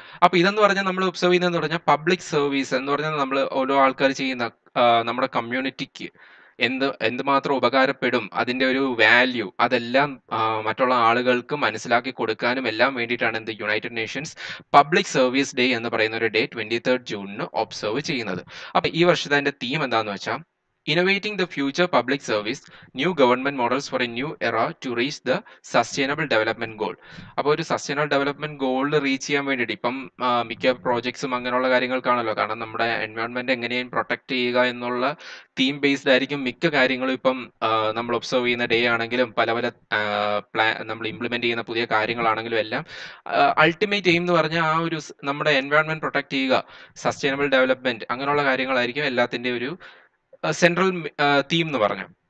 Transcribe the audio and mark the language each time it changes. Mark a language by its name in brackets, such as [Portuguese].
[Malayalam] അപ്പോൾ ഇതെന്ന് പറഞ്ഞാൽ നമ്മൾ ഒബ്സർവ് ചെയ്യുന്നതെന്ന് പറഞ്ഞാൽ പബ്ലിക് സർവീസ് എന്ന് പറഞ്ഞാൽ നമ്മൾ ഓരോ ആൾക്കാർ ചെയ്യുന്ന നമ്മുടെ കമ്മ്യൂണിറ്റിക്ക് എന്തുമാത്രം ഉപകാരപ്പെടും അതിൻ്റെ ഒരു വാല്യൂ അതെല്ലാം മറ്റുള്ള ആളുകൾക്ക് മനസ്സിലാക്കി കൊടുക്കാനും എല്ലാം വേണ്ടിയിട്ടാണ് എന്ത് United Nations public service day എന്ന് പറയുന്ന ഒരു ഡേ 23rd ഒബ്സർവ് ചെയ്യുന്നത്. അപ്പോൾ ഈ വർഷത്തെ അതിൻ്റെ തീം എന്താണെന്ന് വെച്ചാൽ [English] Innovating the future public service, new government models for a new era to reach the sustainable development goal. [Malayalam] അപ്പോൾ ഒരു സസ്റ്റൈനബിൾ ഡെവലപ്മെന്റ് ഗോളിൽ റീച്ച് ചെയ്യാൻ വേണ്ടിയിട്ട് ഇപ്പം മിക്ക പ്രോജക്ട്സും അങ്ങനെയുള്ള കാര്യങ്ങൾക്കാണല്ലോ, കാരണം നമ്മുടെ എൻവയോൺമെന്റ് എങ്ങനെയും പ്രൊട്ടക്ട് ചെയ്യുക എന്നുള്ള തീം ബേസ്ഡ് ആയിരിക്കും മിക്ക കാര്യങ്ങളും ഇപ്പം നമ്മൾ ഒബ്സർവ് ചെയ്യുന്ന ഡേ ആണെങ്കിലും പല പല പ്ലാൻ നമ്മൾ ഇംപ്ലിമെൻ്റ് ചെയ്യുന്ന പുതിയ കാര്യങ്ങളാണെങ്കിലും എല്ലാം അൾട്ടിമേറ്റ് എയിം എന്ന് പറഞ്ഞാൽ ആ ഒരു നമ്മുടെ എൻവയോൺമെന്റ് പ്രൊട്ടക്ട് ചെയ്യുക, സസ്റ്റൈനബിൾ ഡെവലപ്മെന്റ് അങ്ങനെയുള്ള കാര്യങ്ങളായിരിക്കും എല്ലാത്തിൻ്റെ ഒരു സെൻട്രൽ തീം എന്ന് പറഞ്ഞു.